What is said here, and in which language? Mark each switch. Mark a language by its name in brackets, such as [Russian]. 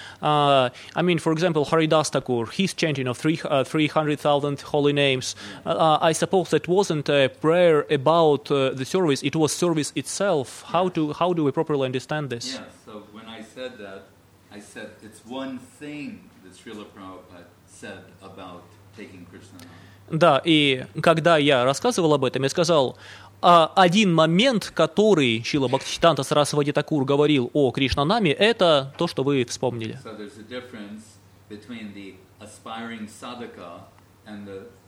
[English] I mean, for example, Haridas Thakur, his chanting of 300,000 holy names, I suppose that wasn't a prayer about the service, it was service itself. How do we properly understand this? Yeah, so when I said that, I said, it's one thing that Srila Prabhupada said about taking Krishna. [Russian] Да, и когда я рассказывал об этом, я сказал, один момент, который Шрила Бхактисиддханта Сарасвати Такур говорил о Кришнанаме, это то, что вы вспомнили. [English] So there's a difference between the aspiring sadhaka and the